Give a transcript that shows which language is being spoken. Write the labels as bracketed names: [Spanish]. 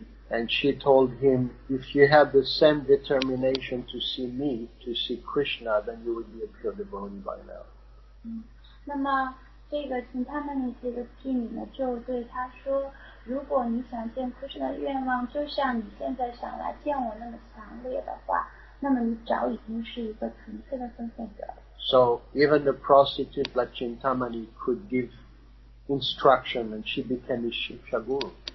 [English] And she told him, if you have the same determination to see me, to see Krishna, then you would be a pure devotee by now. [Chinese] 如果你想见Krishna的愿望，就像你现在想来见我那么强烈的话，那么你早已经是一个纯粹的奉献者。 [English] So even the prostitute like Chintamani could give instruction, and she became his shiksha guru.